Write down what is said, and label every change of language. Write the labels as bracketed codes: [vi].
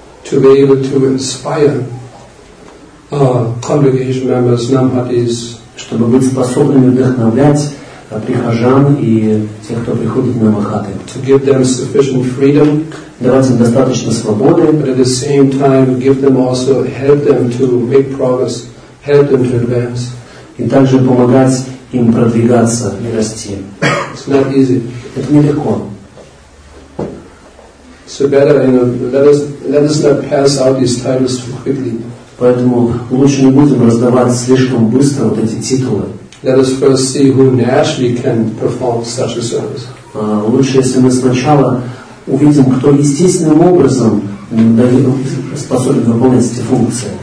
[en] To be able to inspire congregation members, namhatis, [ru] чтобы быть способными вдохновлять прихожан и тех, кто приходит на махаты. [en] To give them sufficient freedom, [ru] давать им достаточно свободы, [en] but at the same time give them also help them to make progress, help them to advance. [ru] И также помогать им продвигаться и расти. [en] It's not easy. [ru] Это нелегко. [en] So better, you know, let us not pass out these titles too quickly. [ru] Поэтому лучше не будем раздавать слишком быстро вот эти титулы. [en] Let us first see who naturally can perform such a service. [ru] Лучше, если мы сначала увидим, кто естественным образом способен выполнять эти функции.